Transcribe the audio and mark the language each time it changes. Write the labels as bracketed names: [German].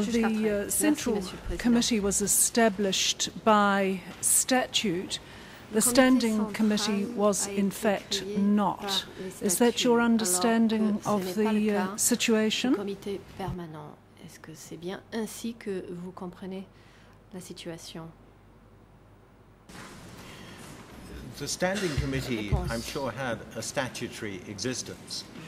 [English] the Central Committee was established by statute, the Standing Committee was in fact not. Is that your understanding of the situation? [French] Le comité permanent, est-ce que c'est bien ainsi que vous comprenez la situation? [English] The Standing Committee, I'm sure, had a statutory existence.